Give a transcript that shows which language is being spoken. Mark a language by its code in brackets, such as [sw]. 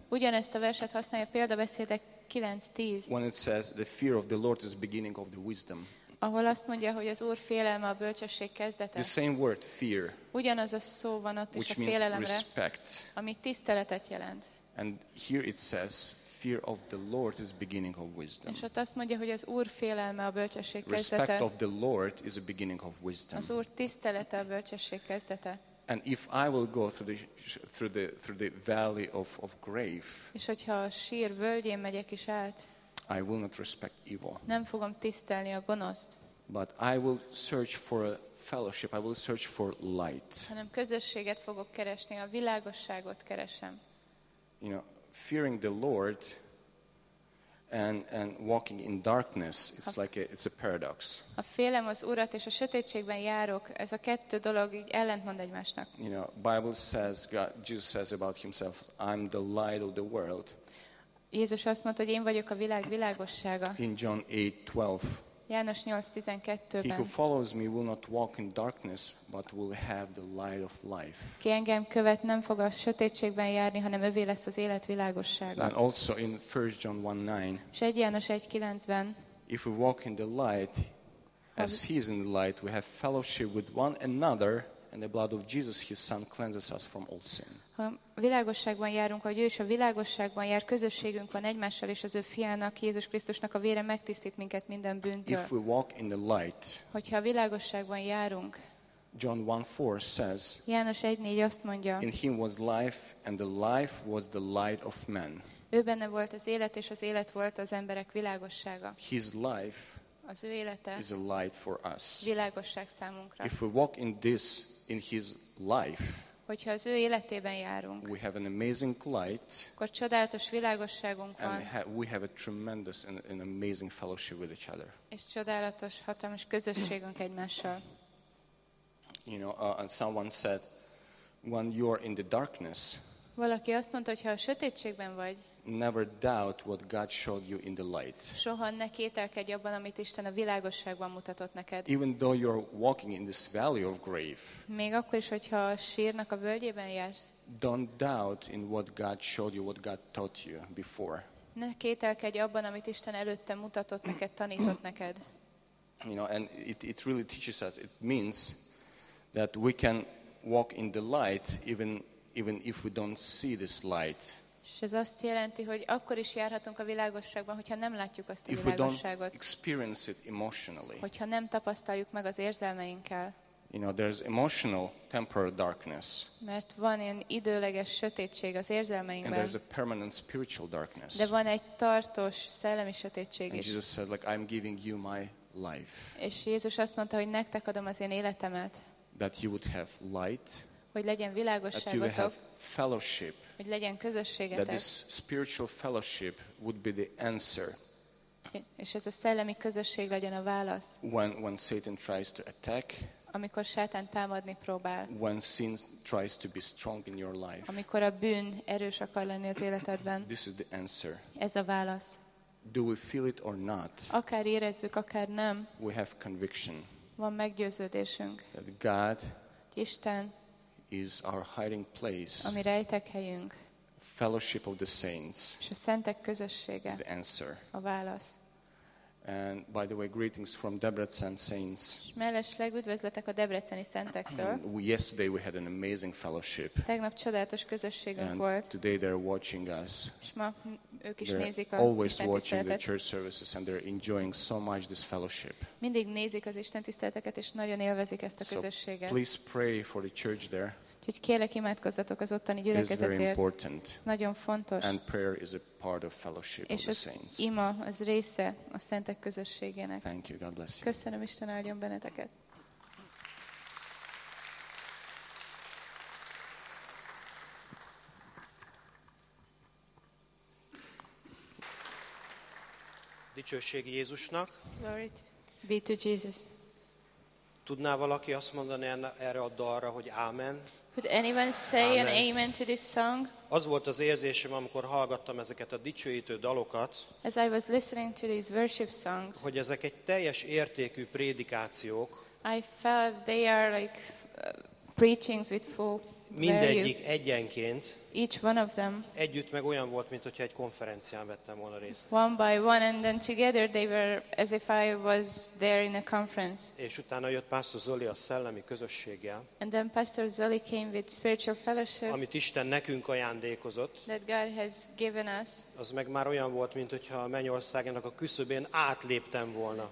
[hu] Ugyanezt a verset használja Példabeszédek 9:10. [en] When it says the fear of the Lord is the beginning of the wisdom. [hu] Ahol azt mondja, hogy az Úr félelme a bölcsesség kezdete. [en] The same word fear. [hu] Ugyanaz a szó van ott is a félelemre. [en] Respect. [hu] Ami tiszteletet jelent. [en] And here it says fear of the Lord is beginning of wisdom. [hu] És ott azt mondja, hogy az Úr félelme a bölcsesség [en] respect [hu] kezdete. [en] Respect of the Lord is a beginning of wisdom. [hu] Az Úr tisztelete a bölcsesség kezdete. [en] And if I will go through the valley of grave. [hu] És hogyha a sír völgyén megyek is át. [en] I will not respect evil. [hu] Nem fogom tisztelni a gonoszt. [en] But I will search for a fellowship. I will search for light. [hu] Hanem közösséget fogok keresni, a világosságot keresem. [en] You know, fearing the Lord and walking in darkness, it's a paradox. [hu] Ha félem az Urat és a sötétségben járok, ez a kettő dolog így ellentmond egymásnak. [en] You know, Bible says, God, Jesus says about himself, I'm the light of the world. [hu] Jézus azt mondta, hogy én vagyok a világ világossága. [en] In John 8:12. [hu] János 8:12-ben. [en] He who follows me will not walk in darkness, but will have the light of life. [hu] Ki engem követ, nem fog a sötétségben járni, hanem övé lesz az élet világossága. [en] And also in 1 John 1:9. [hu] És 1 János 1:9-ben. [en] If we walk in the light, as he is in the light, we have fellowship with one another, and the blood of Jesus, his son, cleanses us from all sin. [hu] Ha világosságban járunk, vagy ő is a világosságban jár, közösségünk van egymással és az ő fiának, Jézus Krisztusnak a vére megtisztít minket minden bűntől. [en] If we walk in the light, [hu] hogyha a világosságban járunk, [en] John 1:4 says, [hu] János 1:4 azt mondja, [en] in him was life, and the life was the light of men. [hu] Ő benne volt az élet, és az élet volt az emberek világossága. [en] His life, [hu] az ő élete, [en] is a light for us. [hu] Világosság számunkra. [en] If we walk in this, in his life, [hu] hogyha az ő életében járunk, [en] we have an amazing light, [hu] akkor csodálatos világosságunk van, [en] we have a tremendous and amazing fellowship with each other. [hu] És csodálatos, hatalmas közösségünk egymással. [en] You know, and someone said, when you are in the darkness, [hu] valaki azt mondta, hogyha a sötétségben vagy, [en] never doubt what God showed you in the light. [hu] Soha ne kételkedj abban, amit Isten a világosságban mutatott neked. [en] Even though you're walking in this valley of grave. [hu] Még akkor is, hogyha a sírnak a völgyében jársz. [en] Don't doubt in what God showed you, what God taught you before. [hu] Ne kételkedj abban, amit Isten előtte mutatott neked, tanított neked. [en] You know, and it really teaches us. It means that we can walk in the light even if we don't see this light. [hu] És ez azt jelenti, hogy akkor is járhatunk a világosságban, hogyha nem látjuk azt a világosságot. [en] If we don't experience it emotionally. [hu] Hogyha nem tapasztaljuk meg az érzelmeinkkel. [en] You know, there's emotional temporal darkness. [hu] Mert van ilyen időleges sötétség az érzelmeinkben. [en] And there's a permanent spiritual darkness. [hu] De van egy tartós szellemi sötétség is. [en] And Jesus said, like, I'm giving you my life. [hu] És Jézus azt mondta, hogy nektek adom az én életemet. [en] That you would have light. [hu] Hogy legyen világosságotok. [en] That you would have fellowship. [hu] Hogy legyen közösségetek. [en] That this spiritual fellowship would be the answer. [hu] És ez a szellemi közösség legyen a válasz. [en] When Satan tries to attack. [hu] Amikor Sátán támadni próbál. [en] When sin tries to be strong in your life. [hu] Amikor a bűn erős akar lenni az életedben. [en] This is the answer. [hu] Ez a válasz. [en] Do we feel it or not? [hu] Akár érezzük, akár nem. [en] We have conviction. [hu] Van meggyőződésünk. [en] That God. [hu] Isten. [en] Is our hiding place. [hu] A mi rejtekhelyünk. [en] Fellowship of the saints. [hu] És a szentek közössége. [en] Is the answer. [hu] A válasz. [en] And by the way, greetings from Debrecen saints. [hu] Mellesleg üdvözletek a debreceni szentektől. [en] Yesterday we had an amazing fellowship. [hu] Tegnap csodálatos közösségünk volt. [en] Today they're watching us. [hu] És ma ők is [en] they're [hu] nézik a [en] always watching the church services and they're enjoying so much this fellowship. [hu] Mindig nézik az istentiszteleteket és nagyon élvezik ezt a közösséget. So please pray for the church there. Úgyhogy kérlek, imádkozzatok az ottani gyülekezetért. Nagyon fontos. [en] And prayer is a part of fellowship [hu] és [en] of the saints. [hu] Ima az része a szentek közösségének. [en] Thank you, God bless you. [hu] Köszönöm, Isten áldjon benneteket. Dicsőség Jézusnak. [en] Glory be to Jesus. [hu] Tudná valaki azt mondani erre a dalra, hogy ámen? [en] Could anyone say amen. An amen to this song? [hu] Az volt az érzésem, amikor hallgattam ezeket a dicsőítő dalokat. [en] As I was listening to these worship songs. [hu] Hogy ezek egy teljes értékű prédikációk. [en] I felt they are like preachings with full value. [hu] Mindegyik egyenként. [en] Each one of them. [hu] Együtt meg olyan volt, mint hogyha egy konferencián vettem volna részt. [en] One by one and then together they were as if I was there in a conference. [hu] És utána jött Pastor Zoli a szellemi közösséggel. [en] And then Pastor Zoli came with spiritual fellowship. [hu] Amit Isten nekünk ajándékozott. [en] That God has given us. [hu] Az meg már olyan volt, mint hogyha a mennyországának a küszöbén átléptem volna.